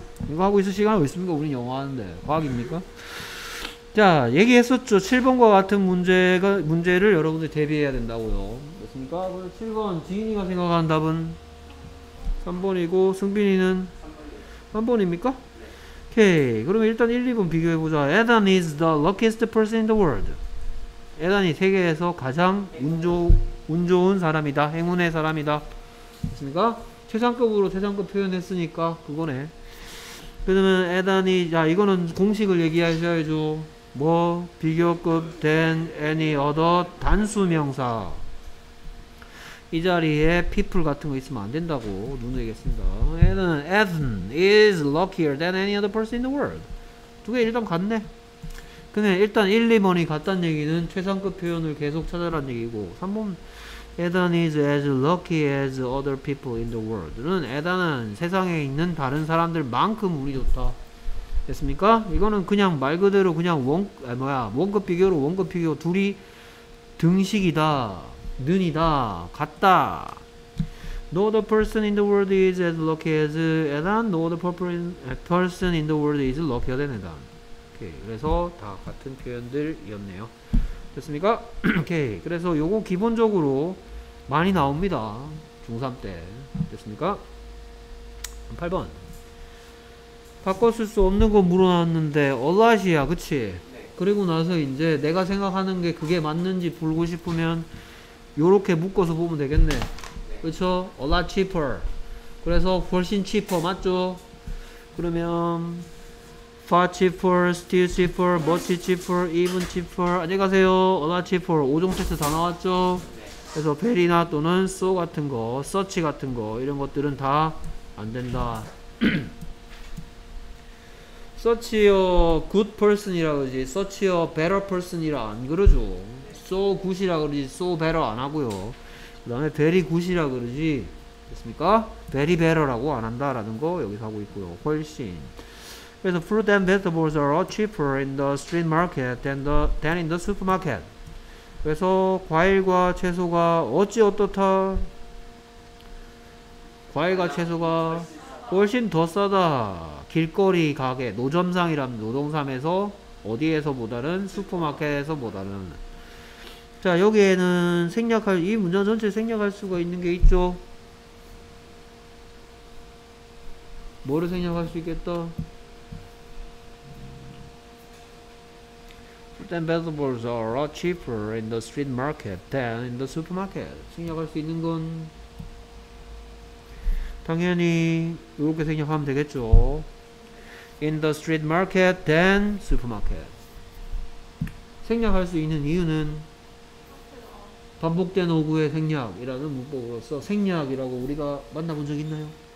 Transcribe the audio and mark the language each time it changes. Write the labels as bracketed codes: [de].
[ko] 이거 하고 있을 시간 왜 있습니까? 우린 영화하는데. 과학입니까? 자, 얘기했었죠. 7번과 같은 문제를 여러분들이 대비해야 된다고요. 됐습니까? 7번, 지인이가 생각하는 답은 3번이고, 승빈이는 3번이요. 3번입니까? 오케이. 그러면 일단 1, 2번 비교해보자. [en] Adam is the luckiest person in the world. [ko] 에단이 세계에서 가장 운 좋은 사람이다. 행운의 사람이다. 됐습니까? 최상급으로 최상급 표현했으니까 그거네. 그러면 에단이, 자, 이거는 공식을 얘기하셔야죠. 뭐 비교급 than any other 단수명사. 이 자리에 people 같은 거 있으면 안 된다고 누누이겠습니다. [en] 에단 is luckier than any other person in the world. [ko] 두 개 일단 갔네. 근데 일단 1, 2번이 같다는 얘기는 최상급 표현을 계속 찾으라는 얘기고, 3번 [en] Adam is as lucky as other people in the world [ko] 는 Adam은 세상에 있는 다른 사람들만큼 운이 좋다. 됐습니까? 이거는 그냥 말 그대로 그냥 원급 비교로 원급 비교 둘이 등식이다, 는이다, 같다. [en] No other person in the world is as lucky as Adam. No other person in the world is luckier than Adam. [ko] 오케이, 그래서 다 같은 표현들이었네요. 됐습니까? 오케이, 그래서 요거 기본적으로 많이 나옵니다. 중3 때. 됐습니까? 8번. 바꿨을 수 없는 거 물어놨는데 a lot이야, 그치? 네. 그리고 나서 이제 내가 생각하는 게 그게 맞는지 보고 싶으면 요렇게 묶어서 보면 되겠네. 네. 그쵸? a lot cheaper. 그래서 훨씬 cheaper 맞죠? [en] 그러면 far cheaper, still cheaper, much cheaper, even cheaper. [ko] 안녕하세요. [en] A lot cheaper. [ko] 5종 테스트 다 나왔죠? 네. 그래서 벨이나 또는 소 같은 거, 서치 같은 거 이런 것들은 다 안 된다. 서치 어 굿 퍼슨이라 그러지, 서치 어 베터 퍼슨이라 안 그러죠. 소 굿이라 그러지 소 베터 안 하고요. 그다음에 베리 굿이라 그러지 됐습니까? 베리 베터라고 안 한다라는 거 여기서 하고 있고요. 훨씬 그래서 [en] fruit and vegetables are cheaper in the street market than in the supermarket. [ko] 그래서 과일과 채소가 어찌 어떻다? 과일과 채소가 훨씬 더 싸다. 길거리 가게, 노점상이란 노동상에서 어디에서 보다는 슈퍼마켓에서 보다는. 자, 여기에는 생략할 이 문장 전체 생략할 수가 있는 게 있죠. 뭐를 생략할 수 있겠다? [en] Fruit and vegetables are a lot cheaper in the street market than in the supermarket. [ko] 생략할 수 있는 건 당연히 이렇게 생략하면 되겠죠. [en] In the street market than supermarket. [ko] 생략할 수 있는 이유는 반복된 어구의 생략이라는 문법으로서 생략이라고 우리가 만나본 적 있나요?